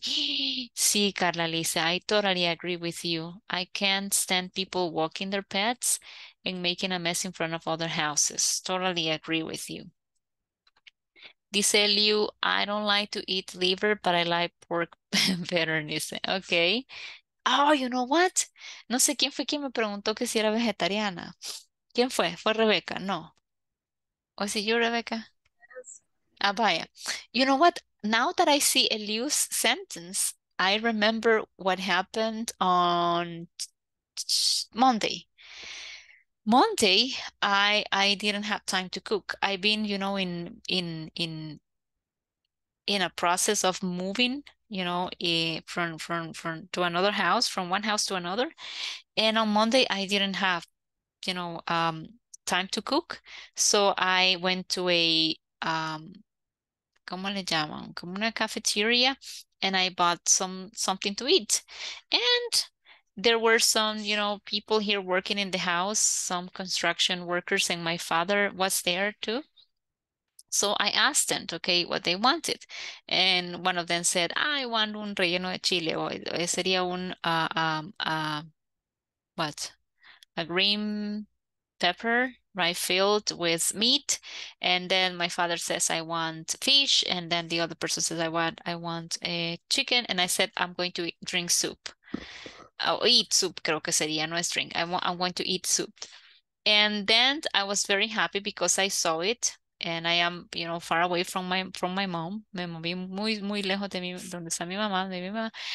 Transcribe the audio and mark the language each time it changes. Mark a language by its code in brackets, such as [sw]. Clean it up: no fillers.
[en] Sí, Carla Lisa, I totally agree with you. I can't stand people walking their pets and making a mess in front of other houses. Totally agree with you. Dice Liu, I don't like to eat liver, but I like pork better, dice. Okay. Oh, you know what? [es] No sé quién fue quien me preguntó que si era vegetariana. ¿Quién fue? ¿Fue Rebeca? No. ¿O si yo, Rebeca? Ah, vaya. [en] You know what? Now that I see Eliu's sentence, I remember what happened on Monday. Monday, I didn't have time to cook. I've been, you know, in a process of moving, you know, from to another house, from one house to another. And on Monday, I didn't have, you know, time to cook. So I went to a [es] ¿cómo le llaman? Como una cafeteria, [en] and I bought something to eat. And there were some, you know, people here working in the house, some construction workers, and my father was there too. So I asked them, okay, what they wanted. And one of them said, I want [es] un relleno de chile, o sería un, [en] a green pepper, right, filled with meat. And then my father says, I want fish. And then the other person says, I want a chicken. And I said, I'm going to drink soup. Oh, eat soup, [es] creo que sería, no es drink. [en] I'm going to eat soup. And then I was very happy because I saw it. And I am, you know, far away from my mom. [es] Me moví muy, muy lejos de mi, donde está mi mamá, de mi mamá.